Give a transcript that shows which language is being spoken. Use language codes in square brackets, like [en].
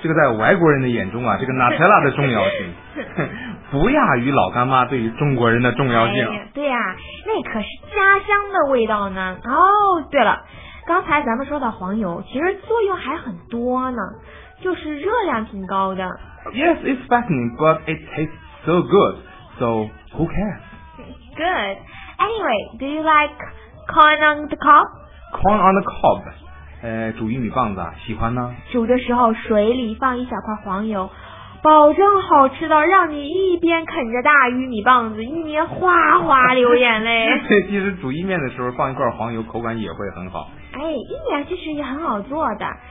[zh] 这个在外国人的眼中啊，这个 Nutella 的重要性不亚于老干妈对于中国人的重要性。哎、对呀、啊，那可是家乡的味道呢。哦，对了，刚才咱们说到黄油，其实作用还很多呢。就是热量挺高的。 [en] Yes, it's fattening, but it tastes so good. So who cares? Good. Anyway, do you like corn on the cob? Corn on the cob， [zh] 煮玉米棒子，喜欢呢。煮的时候水里放一小块黄油，保证好吃到让你一边啃着大玉米棒子，一边哗哗流眼泪。其实煮意面的时候放一块黄油，口感也会很好。哎，意面其实也很好做的。